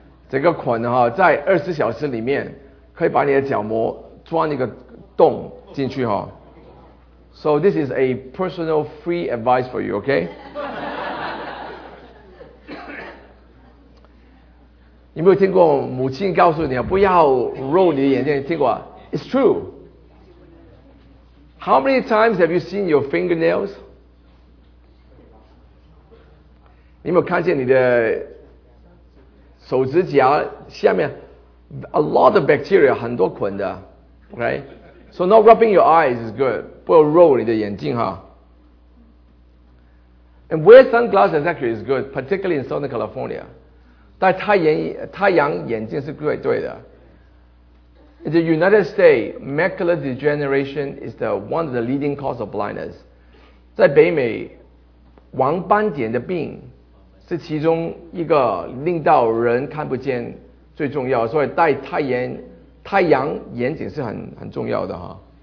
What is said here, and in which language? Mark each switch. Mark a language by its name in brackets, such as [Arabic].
[Chinese] 这个菌哈，在24小时里面可以把你的角膜钻一个洞进去哈。 [English] So this is a personal free advice for you, okay? [Chinese] 你没有听过母亲告诉你不要揉你的眼睛，听过？ [English] It's true. How many times have you seen your fingernails? [Chinese] 你没有看见你的手指甲下面 [English] a lot of bacteria, [Chinese] 很多菌的 okay? [English] So not rubbing your eyes is good. [Chinese] 不要揉你的眼睛哈。 [English] And wear sunglasses actually is good, particularly in Southern California. [Chinese] 戴太阳眼镜是对的。 [English] In the United States, macular degeneration is one of the leading causes of blindness. [Chinese] 在北美，黄斑点的病是其中一个令到人看不见最重要，所以戴太阳眼睛是很重要的哈。